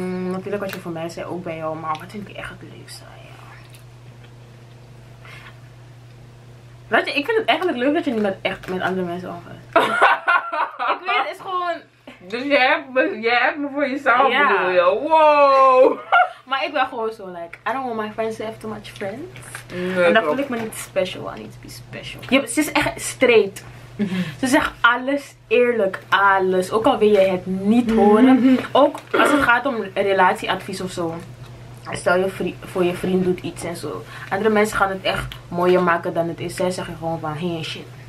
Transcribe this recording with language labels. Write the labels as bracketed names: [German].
[Dutch] Natuurlijk wat je van mij zei, ook bij jou. Maar wat vind ik echt het leukste aan jou? Weet je, ik vind het eigenlijk leuk dat je niet met andere mensen omgaat. Ik weet, het is gewoon... Dus jij hebt me voor jezelf bedoel je? Wow! Maar ik ben gewoon zo, [English] like, I don't want my friends to have too much friends. [Dutch] Nee, en dan voel ik me niet special. [English] I need to be special. [Dutch] Ja, ze is echt straight. Ze zegt alles eerlijk, alles. Ook al wil je het niet horen. Ook als het gaat om relatieadvies of zo. Stel je voor je vriend doet iets en zo. Andere mensen gaan het echt mooier maken dan het is. Zij zeggen gewoon van, hey shit.